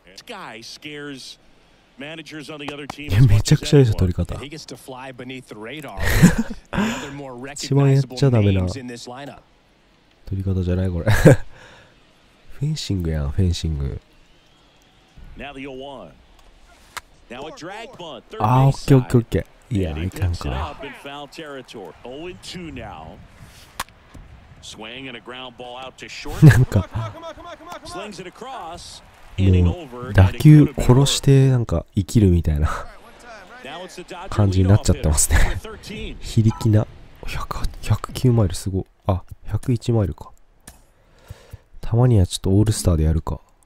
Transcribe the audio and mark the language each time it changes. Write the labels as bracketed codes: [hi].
[en] This guy scares managers on the other team. [ja] めちゃくちゃいいぞ取り方。 [en] He gets to fly beneath the radar. [ja] 一番やっちゃダメな取り方じゃないこれ。フェンシングやん、フェンシング。 [en] Now the 0-1. Now a drag bunt. [ja] あ、オッケーオッケーオッケー。いや、いかんか。 [en] 0-2 now. Swing and a ground ball out to short. なんか、 slings it across. [ja] もう打球殺してなんか生きるみたいな感じになっちゃってますね。非力な109マイル、すごい。あ、101マイルか。たまにはちょっとオールスターでやるか。